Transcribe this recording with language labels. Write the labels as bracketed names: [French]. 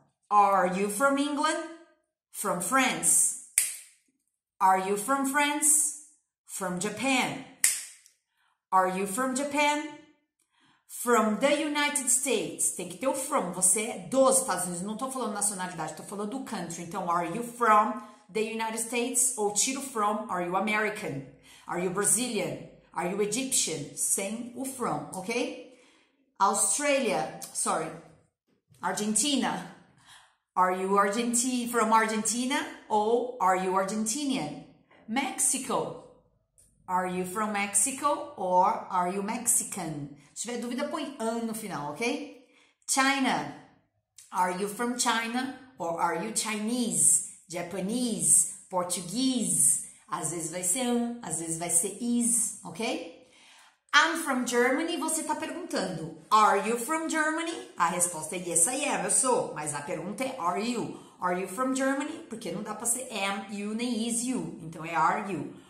[English] Are you from England? From France. Are you from France? From Japan. Are you from Japan? From the United States. [Portuguese] Tem que ter o from. Você é dos Estados Unidos. Não estou falando nacionalidade. Estou falando do country. [English] Então, are you from the United States? [Portuguese] Ou tiro from. [English] Are you American? Are you Brazilian? Are you Egyptian? [Portuguese] Sem o from, ok? [English] Australia, sorry, Argentina, are you from Argentina, ou are you Argentinian? Mexico, are you from Mexico, or are you Mexican? [Portuguese] Se tiver dúvida, põe an no final, ok? [English] China, are you from China, or are you Chinese, Japanese, Portuguese? [Portuguese] Às vezes vai ser an, às vezes vai ser is, ok? [English] I'm from Germany, [Portuguese] você está perguntando, [English] are you from Germany? [Portuguese] A resposta é [English] yes, I am, [Portuguese] eu sou, mas a pergunta é [English] are you? Are you from Germany? [Portuguese] Porque não dá para ser [English] am you [Portuguese] nem [English] is you, [Portuguese] então é [English] are you.